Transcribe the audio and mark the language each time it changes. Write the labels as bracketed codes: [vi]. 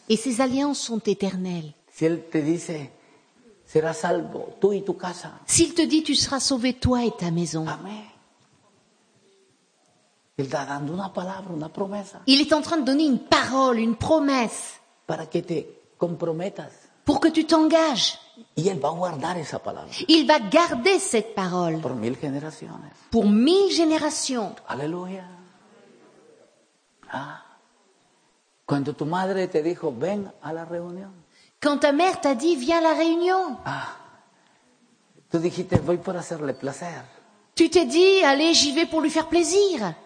[fr] Et ses alliances sont éternelles. [es] Si él te dice... Será salvo, tú y tu casa. [fr] S'il te dit tu seras sauvé toi et ta maison. [es] Amén. Él está dando una palabra, una promesa. [fr] Il est en train de donner une parole, une promesse. [es] Para que te comprometas. [fr] Pour que tu t'engages. [es] Y él va a guardar esa palabra. [fr] Il va garder cette parole. [es] Por mil generaciones. [fr] Pour mille générations. [es] Aleluya. Ah. Cuando tu madre te dijo, ven a la reunión. [fr] Quand ta mère t'a dit viens à la réunion. [es] Ah, tu dijiste, voy para hacerle placer. [fr] Tu t'es dit allez j'y vais pour lui faire plaisir.